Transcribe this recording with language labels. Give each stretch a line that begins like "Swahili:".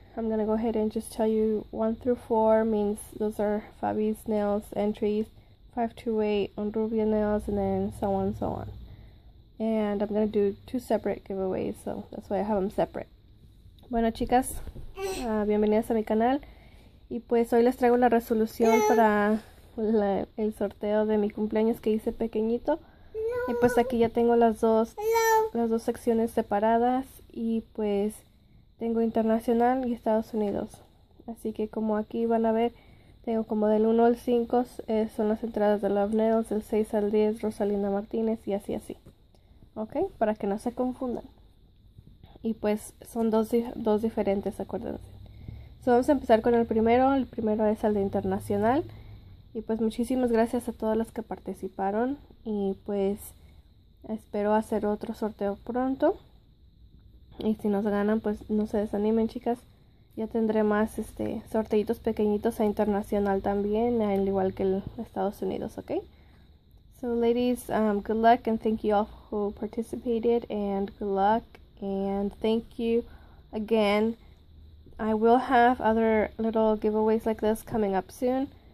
English: I'm gonna go ahead and just tell you 1 through 4 means those are Fabi's nails entries, 5 to 8 on Rubia nails, and then so on and so on. And I'm gonna do 2 separate giveaways, so that's why I have them separate.
Spanish: Bueno, chicas, bienvenidas a mi canal. Y pues hoy les traigo la resolución para el sorteo de mi cumpleaños que hice pequeñito. Y pues aquí ya tengo las dos secciones separadas. Y pues tengo internacional y Estados Unidos. Así que como aquí van a ver, tengo como del 1 al 5 son las entradas de Love Nails, del 6 al 10 Rosalinda Martínez y así así. Ok, para que no se confundan. Y pues son dos diferentes, acuérdense. So, vamos a empezar con el primero. El primero es el de internacional. Y pues muchísimas gracias a todas las que participaron. Y pues espero hacer otro sorteo pronto. Y si nos ganan, pues no se desanimen, chicas. Ya tendré más sorteitos pequeñitos a internacional también, al igual que el Estados Unidos, ok.
English: So ladies, good luck and thank you all who participated and good luck and thank you again. I will have other little giveaways like this coming up soon.